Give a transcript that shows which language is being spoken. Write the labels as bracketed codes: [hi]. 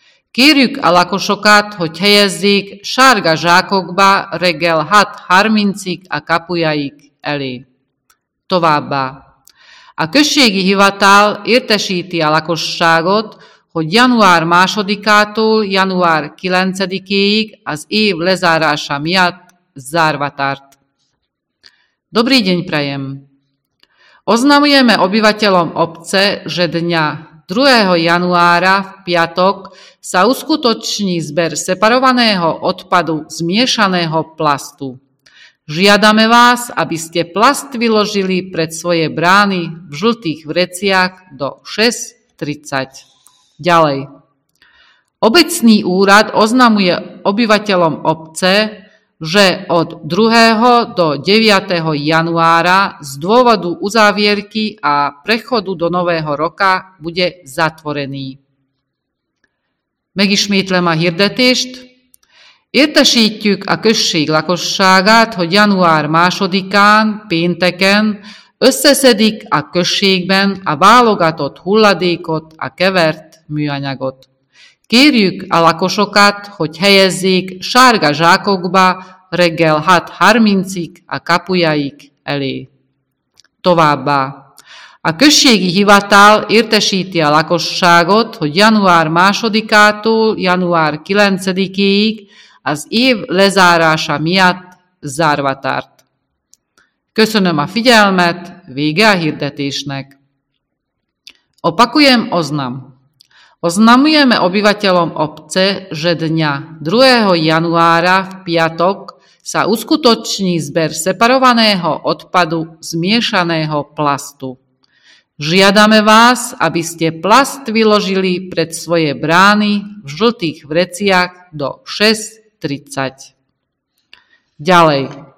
[hu] Kérjük a lakosokat, hogy helyezzék sárga zsákokba reggel 6:30-ig a kapujaik elé. Továbbá. A községi hivatal értesíti a lakosságot, hogy január 2-ától január 9-ig az év lezárása miatt zárva tart. [sk] Dobrý deň prajem. Oznamujeme obyvateľom obce, že dňa 2. januára v piatok sa uskutoční zber separovaného odpadu zmiešaného plastu. Žiadame vás, aby ste plast vyložili pred svoje brány v žltých vreciach do 6:30. Ďalej. Obecný úrad oznamuje obyvateľom obce, že od 2. do 9. januára z dôvodu uzávierky a prechodu do nového roka bude zatvorený. [hu] Megismétlem a hirdetést. Értesítjük a község lakosságát, hogy január 2-án, pénteken összeszedik a községben a válogatott hulladékot, a kevert műanyagot. Kérjük a lakosokat, hogy helyezzék sárga zsákokba reggel 6:30-ig a kapujaik elé. Továbbá. A községi hivatal értesíti a lakosságot, hogy január 2-től január 9-ig az év lezárása miatt zárva tart. Köszönöm a figyelmet, vége a hirdetésnek. [sk] Opakujem oznam. Oznamujeme obyvateľom obce, že dňa 2. januára v piatok sa uskutoční zber separovaného odpadu zmiešaného plastu. Žiadame vás, aby ste plast vyložili pred svoje brány v žltých vreciach do 6:30. Ďalej.